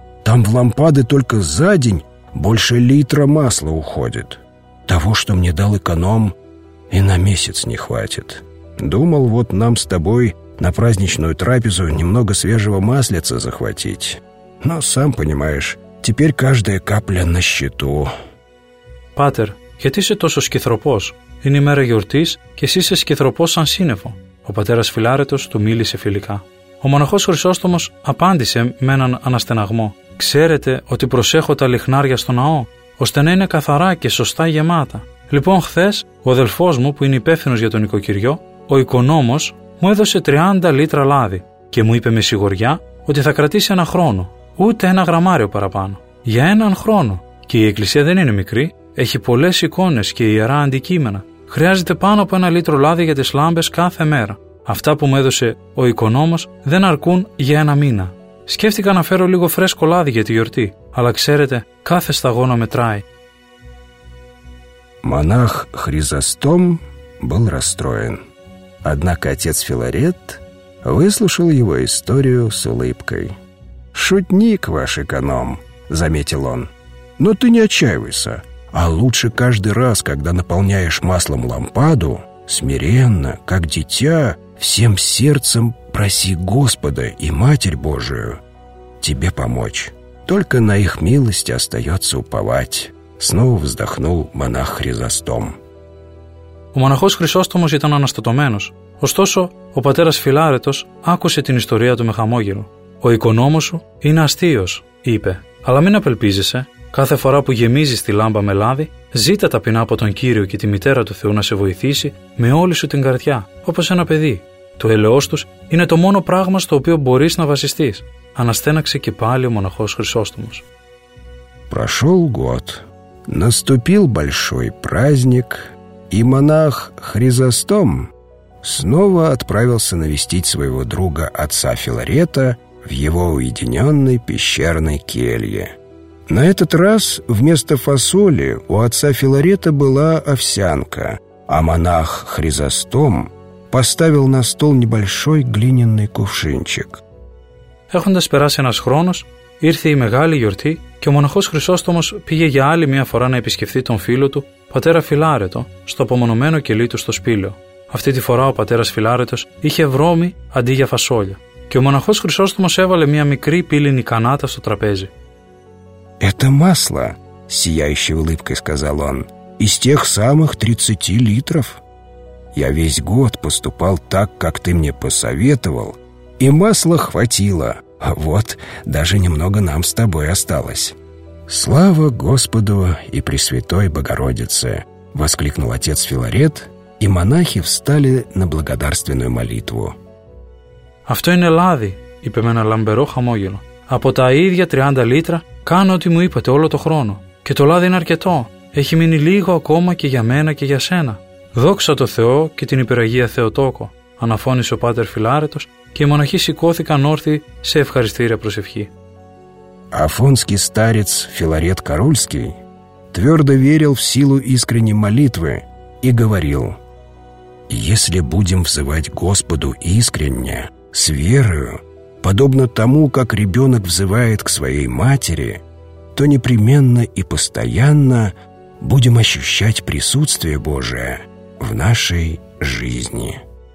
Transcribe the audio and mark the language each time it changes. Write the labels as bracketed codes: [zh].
[ru] Там в лампады только за день больше литра масла уходит. Того, что мне дал эконом, и на месяц не хватит». «Думал, вот нам с тобой на праздничную трапезу немного свежего маслица захватить. Но, сам понимаешь, теперь каждая капля на счету». [el] «Патер, γιατί είσαι τόσο σκυθροπός? Είναι η μέρα γιορτής και εσύ είσαι σκυθροπός σαν σύννεφο». Ο πατέρας Φιλάρετος του μίλησε φιλικά. Ο μοναχός Χρυσόστομος απάντησε με έναν αναστεναγμό. «Ξέρετε ότι προσέχω τα λιχνάρια στο ναό, ώστε να είναι καθαρά και σωστά γεμάτα. Λοιπόν, χθες ο αδελφός μου, που είναι υπεύθυνος για το νοικοκυριό, ο οικονόμος, μου έδωσε 30 λίτρα λάδι και μου είπε με σιγουριά ότι θα κρατήσει ένα χρόνο, ούτε ένα γραμμάριο παραπάνω. Για έναν χρόνο. Και η εκκλησία δεν είναι μικρή, έχει πολλές εικόνες και ιερά αντικείμενα. Χρειάζεται πάνω από ένα λίτρο λάδι για τις λάμπες κάθε μέρα. Αυτά που μου έδωσε ο οικονόμος δεν αρκούν για ένα μήνα. Σκέφτηκα να φέρω λίγο φρέσκο λάδι για τη γιορτή, αλλά ξέρετε, κάθε σταγόνα μετράει». [ru] Монах Хризостом был расстроен. Однако отец Филарет выслушал его историю с улыбкой. «Шутник ваш эконом», — заметил он. «Но ты не отчаивайся, а лучше каждый раз, когда наполняешь маслом лампаду, смиренно, как дитя, всем сердцем проси Господа и Матерь Божию тебе помочь. Только на их милость остается уповать». Снова вздохнул монах Хризостом. [el] Ο μοναχός Χρυσόστομος ήταν αναστατωμένος. Ωστόσο, ο πατέρας Φιλάρετος άκουσε την ιστορία του με χαμόγελο. «Ο οικονόμος σου είναι αστείος», είπε. «Αλλά μην απελπίζεσαι. Κάθε φορά που γεμίζεις τη λάμπα με λάδι, ζήτα ταπεινά από τον Κύριο και τη μητέρα του Θεού να σε βοηθήσει με όλη σου την καρδιά, όπως ένα παιδί. Το ελαιός τους είναι το μόνο πράγμα στο οποίο μπορείς να βασιστείς», αναστέναξε και πάλι ο μοναχός Χρυσόστομος. [ru] Прошел год. Наступил большой праздник, и монах Хризостом снова отправился навестить своего друга отца Филарета в его уединенной пещерной келье. На этот раз вместо фасоли у отца Филарета была овсянка, а монах Хризостом поставил на стол небольшой глиняный кувшинчик. [el] Έχοντας περάσει ένας χρόνος, Ήρθε η μεγάλη γιορτή και ο μοναχός Χρυσόστομος πήγε για άλλη μια φορά να επισκεφθεί τον φίλο του, πατέρα Φιλάρετο, στο απομονωμένο κελί του στο σπήλαιο. Αυτή τη φορά ο πατέρας Φιλάρετος είχε βρώμη αντί για φασόλια. Και ο μοναχός Χρυσόστομος έβαλε μια μικρή πύληνη κανάτα στο τραπέζι. [ru] «Это масло», сияющей улыбкой сказал он, «из тех самых 30 литров. Я весь год поступал так, как ты мне посоветовал, и масла хватило, а вот даже немного нам с тобой осталось». «Слава Господу и Пресвятой Богородице!» — воскликнул отец Филарет, и монахи встали на благодарственную молитву. [el] «Авто ине лави», — είπε με ένα ламберо хамогело. «Από τα ίδια 30 литра κάνω ό,τι μου είπατε όλο το χρόνο. Και το λάδι είναι αρκετό. Έχει μείνει λίγο ακόμα και για μένα και για σένα. Δόξα το Θεό και την υπεραγία Θεοτόκο», αναφώνησε ο πάτερ Φιλάρετος και οι μοναχοί σηκώθηκαν όρθιοι σε ευχαριστήρια προσευχή. [ru] Афонский старец Филарет Корольский твердо верил в силу искренней молитвы и говорил: «Если будем взывать Господу искренне, с верою, подобно тому, как ребенок взывает к своей матери, то непременно и постоянно будем ощущать присутствие Божие в нашей жизни».